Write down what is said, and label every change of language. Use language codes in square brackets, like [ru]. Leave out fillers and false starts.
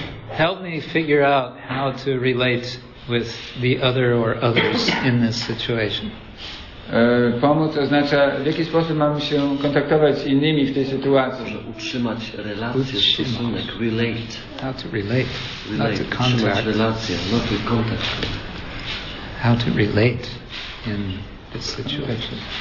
[en] Help me figure out how to relate with the other or others in this situation. [pl] Pomóc oznacza, w jaki sposób mam się kontaktować z innymi w tej sytuacji. Utrzymać relacje, stosunek, relate. [en] How to relate. Relate. How to contact. [pl] Utrzymać relacje, [en] not to contact. How to relate in this situation.